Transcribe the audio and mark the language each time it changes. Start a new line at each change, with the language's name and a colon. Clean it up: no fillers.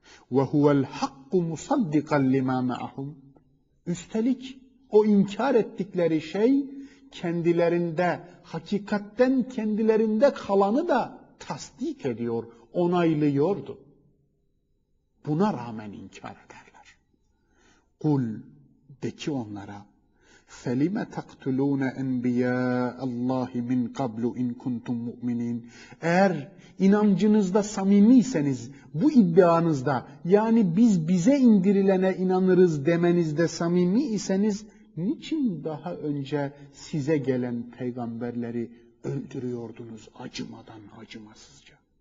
Arabic: وَهُوَ الْحَقُّ مُصَدِّقًا لِمَا مَعَهُمْ.
Turkish: Üstelik o inkar ettikleri şey kendilerinde, hakikatten kendilerinde kalanı da tasdik ediyor, onaylıyordu. Buna rağmen inkar ederler.
Arabic: قُلْ
Turkish: de ki onlara
Arabic: فَلِمَ تَقْتُلُونَ اَنْبِيَاءَ اللّٰهِ مِنْ قَبْلُ اِنْ كُنْتُمْ مُؤْمِنِينَ.
Turkish: Eğer inancınızda samimiyseniz, bu iddianızda, yani biz bize indirilene inanırız demenizde samimi iseniz, niçin daha önce size gelen peygamberleri öldürüyordunuz acımadan, acımasızca?